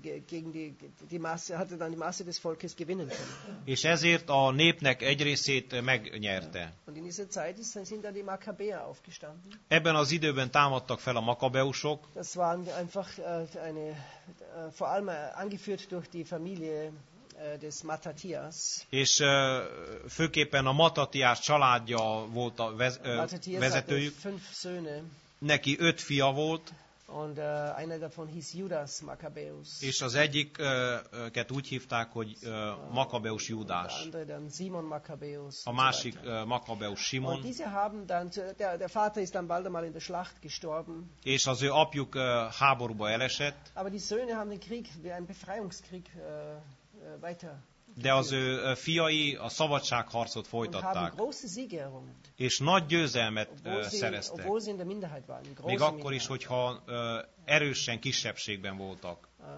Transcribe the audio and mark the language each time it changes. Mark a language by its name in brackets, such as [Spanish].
[German] diese Weise hat er dann die Masse des Volkes gewinnen können. [Hungarian] És ezért a népnek egy részét megnyerte. [German] Und in dieser Zeit sind dann die Makkabäer aufgestanden. [Hungarian] Ebben az időben támadtak fel a Makkabeusok. [German] Das waren einfach eine vor allem angeführt durch die Familie des Matatias. [Hungarian] És főképpen a Matatias családja volt a vezetőjük. Neki öt fia volt. [German] Und einer davon hieß Judas Maccabeus. [Hungarian] És az egyiket úgy hívták, hogy Maccabeus Judas. [German] Und der andere Simon Maccabeus. [Hungarian] A másik Maccabeus Simon. [German] Und diese haben dann der Vater ist dann bald einmal in der Schlacht gestorben. [Hungarian] És az ő apjuk háborúba elesett. [German] Aber die Söhne haben den Krieg, einen Befreiungskrieg weiter. [Hungarian] De az ő fiai a szabadságharcot folytatták. És nagy győzelmet szereztek. Még akkor is, hogyha erősen kisebbségben voltak.